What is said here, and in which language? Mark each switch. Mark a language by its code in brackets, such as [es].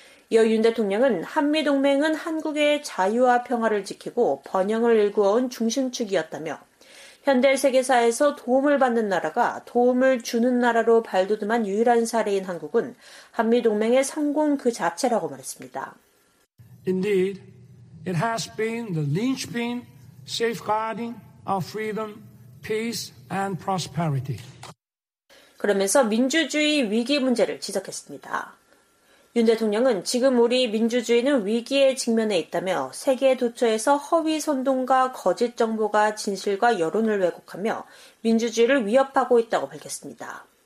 [ko] 이어 윤 대통령은 한미동맹은 한국의 자유와 평화를 지키고 번영을 일구어온 중심축이었다며 현대 세계사에서 도움을 받는 나라가 도움을 주는 나라로 발돋움한 유일한 사례인 한국은 한미동맹의 성공 그 자체라고 말했습니다. [en] Indeed, it has been the linchpin safeguarding our freedom, peace, and prosperity. [ko] 그러면서 민주주의 위기 문제를 지적했습니다. 윤 대통령은 지금 우리 민주주의는 위기에 직면해 있다며 세계 도처에서 허위 선동과 거짓 정보가 진실과 여론을 왜곡하며 민주주의를 위협하고 있다고 밝혔습니다.